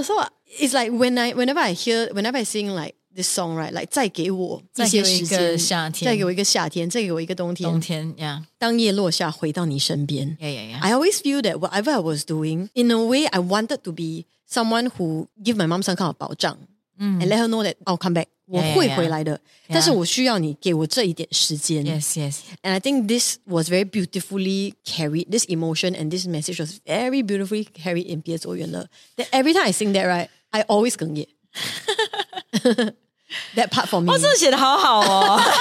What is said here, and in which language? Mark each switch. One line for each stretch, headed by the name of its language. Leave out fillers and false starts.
English: So it's like whenever I sing like this song, right?
Chinese: Like, 再给我一个夏天,再给我一个冬天。当叶落下回到你身边。
English: Yeah. I always feel that whatever I was doing, in a way, I wanted to be someone who give my mom some kind of 保障 and let her know that I'll come back.
Chinese: 我会回来的,但是我需要你给我这一点时间。
English: Yes. And I think this was very beautifully carried, this emotion and this message was very beautifully carried in 别走远了. That every time I sing that, right, I always gung it. That part for me.
Chinese: 哦,真的写得好好哦。